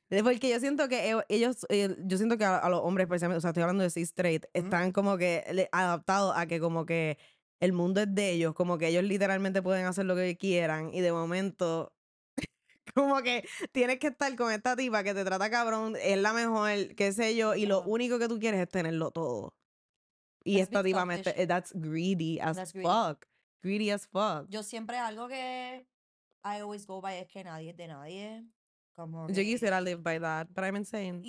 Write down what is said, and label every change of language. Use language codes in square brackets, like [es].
[es] Porque yo siento que a los hombres, especialmente, o sea, estoy hablando de cis straight, están como que adaptados a que como que el mundo es de ellos, como que ellos literalmente pueden hacer lo que quieran, y de momento como que tienes que estar con esta tipa que te trata cabrón, es la mejor, qué sé yo, y lo único que tú quieres es tenerlo todo. [en] Y that's [es] esta tipa, [en] that's greedy as fuck. [es] Yo siempre algo que [en] I always go by [es] es que nadie es de nadie. Yo quisiera [en] live by that, but I'm insane.